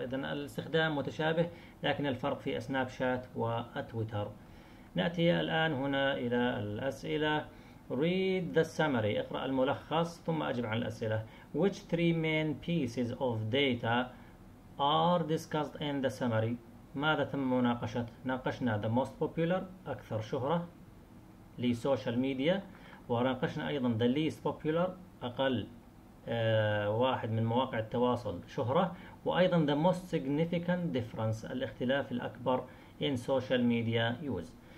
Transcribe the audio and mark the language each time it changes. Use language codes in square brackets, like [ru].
[ar] إذن الاستخدام متشابه لكن الفرق في سناب شات وتويتر. نأتي الآن هنا إلى الأسئلة. [en] Read the summary. [ar] اقرأ الملخص ثم أجب عن الأسئلة. [en] Which three main pieces of data are discussed in the summary? [ar] ماذا تم مناقشة؟ ناقشنا [en] the most popular [ar] أكثر شهرة لسوشال ميديا، وناقشنا أيضا [en] the least popular [ar] أقل واحد من مواقع التواصل شهرة، وأيضا [en] the most significant difference [ar] الاختلاف الأكبر [en] in social media use.